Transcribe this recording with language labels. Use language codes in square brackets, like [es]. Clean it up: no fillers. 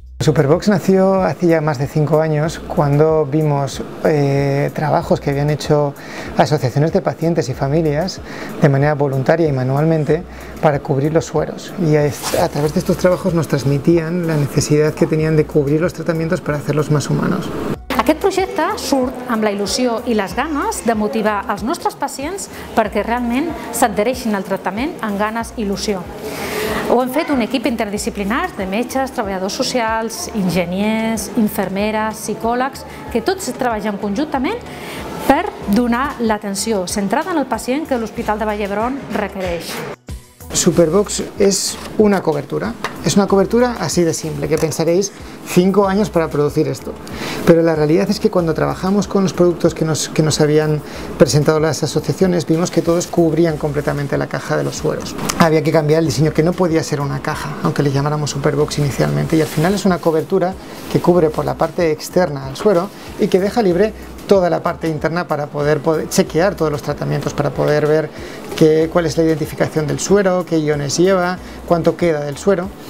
[es] Superbox nació hace ya más de 5 años cuando vimos trabajos que habían hecho asociaciones de pacientes y familias de manera voluntaria y manualmente para cubrir los sueros. Y a través de estos trabajos nos transmitían la necesidad que tenían de cubrir los tratamientos para hacerlos más humanos. [ca] Aquest projecte surt amb la il·lusió i les ganes de motivar els nostres pacients perquè realment s'adhereixin al tractament amb ganes i il·lusió. Ho hem fet un equip interdisciplinar de metges, treballadors socials, enginyers, infermeres, psicòlegs, que tots treballen conjuntament per donar l'atenció centrada en el pacient que l'Hospital de Vall d'Hebron requereix. Superbox és una cobertura. És una cobertura així de simple, que pensareu 5 anys per produir això. [es] Pero la realidad es que cuando trabajamos con los productos que nos habían presentado las asociaciones, vimos que todos cubrían completamente la caja de los sueros. Había que cambiar el diseño, que no podía ser una caja, aunque le llamáramos Superbox inicialmente, y al final es una cobertura que cubre por la parte externa al suero y que deja libre toda la parte interna para poder chequear todos los tratamientos, para poder ver cuál es la identificación del suero, qué iones lleva, cuánto queda del suero.